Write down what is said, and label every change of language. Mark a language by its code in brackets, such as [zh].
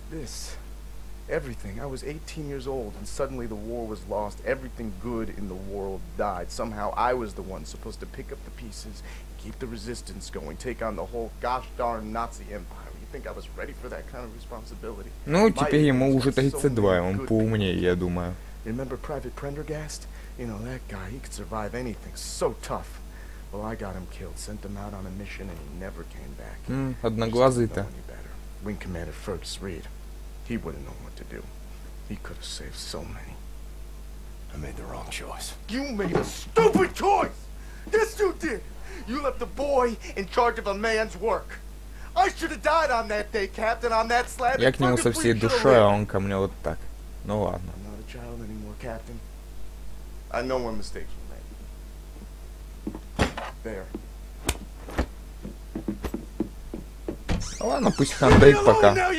[en] This. Everything. I was 18 years old, and suddenly the war was lost. Everything good in the world died. Somehow I was the one supposed to pick up the pieces, keep the resistance going, take on the whole gosh darn Nazi empire. You think I was ready for that kind of responsibility? [ru] Ну, теперь ему уже 32, он поумнее, я думаю. [en] Remember Private Prendergast? You know, that guy, he could survive anything. So tough. Well, I got him killed, sent him out on a mission, and he never came back. [ru] Одноглазый-то. [en] Wing Commander Fergus Reed. He wouldn't know what to do. He could have saved so many. I made the wrong choice. You made a stupid choice! Yes, you did! You left the boy in charge of a man's work. I should have died on that day, Captain, on that slab. [ru] Я к нему со всей душой, а он ко мне вот так. Ну ладно. [en] I'm not a child anymore, Captain. I know my mistakes were made. There. [ru] А ладно, пусть хандрит пока.